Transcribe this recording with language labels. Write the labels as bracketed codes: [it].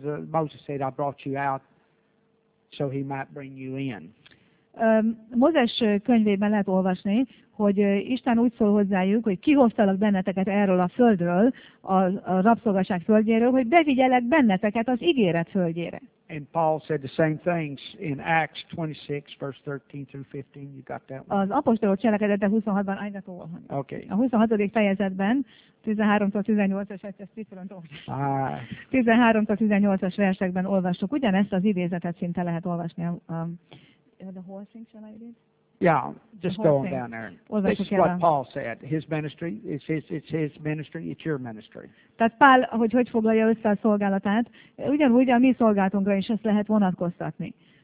[en] Moses said, I brought you out so he might bring you in. [hu] Mózes könyvében lehet olvasni, hogy Isten úgy szól hozzájuk, hogy kihoztalak benneteket erről a földről, a rabszolgaság földjéről, hogy bevigyelek benneteket az ígéret földjére. [en] And Paul said the same things in Acts 26, verse 13 through 15. You got that one? [hu] Az apostolok cselekedete 26-ban, ajnak olvasni. [en] Okay. [hu] A 26. fejezetben, 13-18-as versekben olvastuk. Ugyanezt az idézetet szinte lehet olvasni. [en] The whole thing, shall I read? Yeah, just go on down there. This is what Paul said. His ministry, it's his ministry, it's your ministry. [hu] Tehát Pál, hogy foglalja össze a szolgálatát, ugyanúgy a mi szolgálatunkra is ezt lehet vonatkoztatni.